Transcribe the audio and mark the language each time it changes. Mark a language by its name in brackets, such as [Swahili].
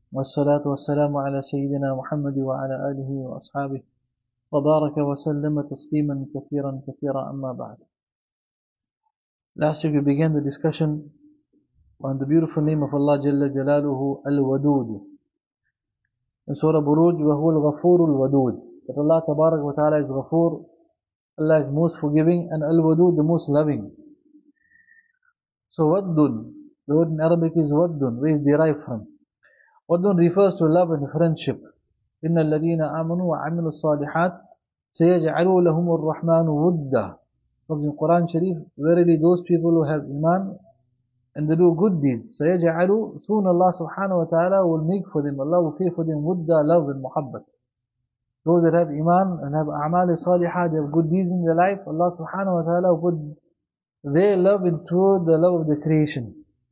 [Arabic] والصلاة والسلام على سيدنا محمد وعلى آله وأصحابه وبارك وسلم تسليما كثيرا كثيرا أما بعد. [English] Last week we began the discussion on the beautiful name of Allah جل جلاله الودود. In Surah Buruj, [Arabic] وهو الغفور الودود. [English] That Allah تبارك وتعالى is غفور. Allah is most forgiving and الودود the most loving. So ودن, the word in Arabic is ودن, where is derived from. Wadun refers to love and friendship. [Arabic] إن الذين آمنوا وعملوا الصالحات سيجعلوا لهم الرحمن ودا. [English] From the Quran Sharif, verily those people who have iman and they do good deeds, سيجعلوا, soon Allah subhanahu wa ta'ala will make for them, Allah will pay for them ودا, love and muhabbat. those that have iman and have amal salihah, they have good deeds in their life, Allah subhanahu wa ta'ala will put their love into the love of the creation.